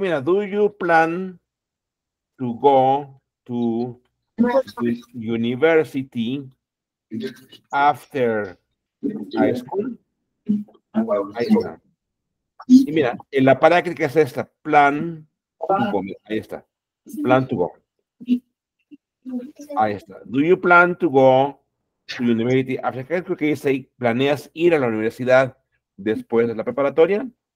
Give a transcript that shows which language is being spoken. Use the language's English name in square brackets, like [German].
[English] Mira, do you plan to go to university after high school? [Spanish] Ahí está. Y mira, en la práctica es esta, plan to go. Ahí está, plan to go. Ahí está. [English] Do you plan to go to university after high school? [Spanish] Que dice, ¿planeas ir a la universidad después de la preparatoria?